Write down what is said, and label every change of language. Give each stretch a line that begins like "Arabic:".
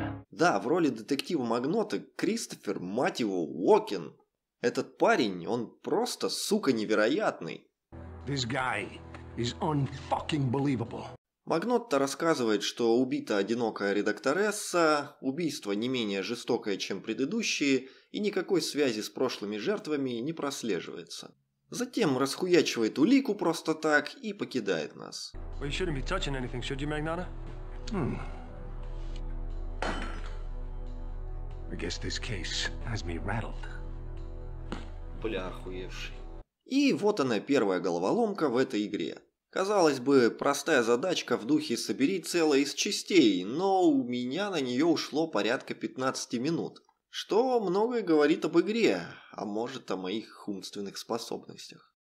Russian: Да, в роли детектива Магнота Кристофер, мать его, Уокен. Этот парень, он просто, сука, невероятный.
English: This guy is un-fucking-believable.
Russian: Магнот-то рассказывает, что убита одинокая редакторесса, убийство не менее жестокое, чем предыдущие, и никакой связи с прошлыми жертвами не прослеживается. Затем расхуячивает улику просто так и покидает нас.
English: Well, you shouldn't be touching anything, should you, Magnata? I guess this case has me rattled.
Russian: Бля, охуевший. И вот она, первая головоломка в этой игре. Казалось бы, простая задачка в духе «собери целое из частей», но у меня на нее ушло порядка 15 минут. Что многое говорит об игре, а может о моих умственных способностях.